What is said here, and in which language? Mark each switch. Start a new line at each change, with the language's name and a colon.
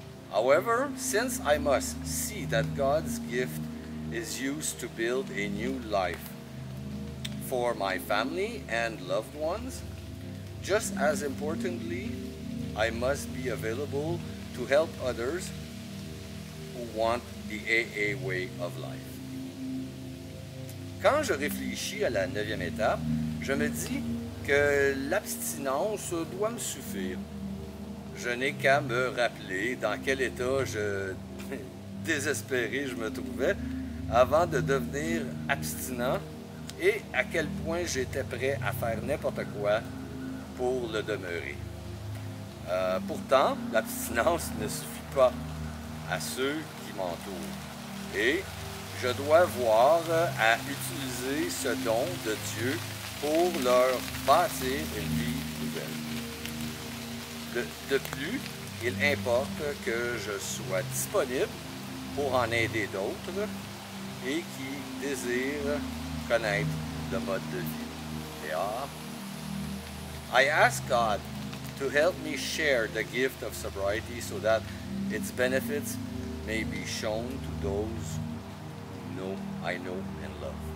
English: However, since I must see that God's gift is used to build a new life for my family and loved ones, just as importantly, I must be available to help others who want the AA way of life.
French: Quand je réfléchis à la neuvième étape, je me dis que l'abstinence doit me suffire. Je n'ai qu'à me rappeler dans quel état désespéré je me trouvais avant de devenir abstinent et à quel point j'étais prêt à faire n'importe quoi pour le demeurer. Pourtant, l'abstinence ne suffit pas à ceux qui m'entourent. Et je dois voir à utiliser ce don de Dieu pour leur bâtir une vie nouvelle. De plus, il importe que je sois disponible pour en aider d'autres et qui désirent connaître le mode de vie.
English: I ask God to help me share the gift of sobriety so that its benefits may be shown to those I know and love.